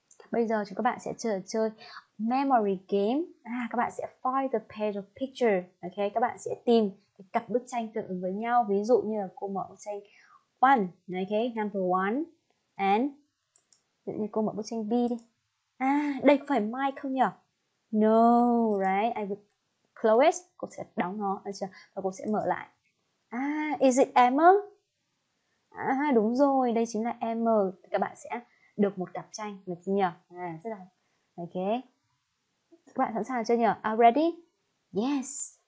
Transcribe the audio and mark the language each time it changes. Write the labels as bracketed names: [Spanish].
[Vietnamese] Bây giờ chúng các bạn sẽ chơi memory game. À, các bạn sẽ [English] find the pair of picture. [Vietnamese] Ok, các bạn sẽ tìm cái cặp bức tranh tương ứng với nhau. Ví dụ như là cô mở bức tranh [English] one, okay, number one, and [Vietnamese] ví dụ như cô mở bức tranh B đi. À, đây có phải Mike không nhỉ? [English] No, right, I would close it. [Vietnamese] Cô sẽ đóng nó, và cô sẽ mở lại. À, [English] is it Emma? [Vietnamese] À, đúng rồi, đây chính là Emma. Các bạn sẽ được một cặp tranh, được chưa nhỉ? À, rất là, ok. Các bạn sẵn sàng chưa nhỉ? [English] Are you ready? Yes.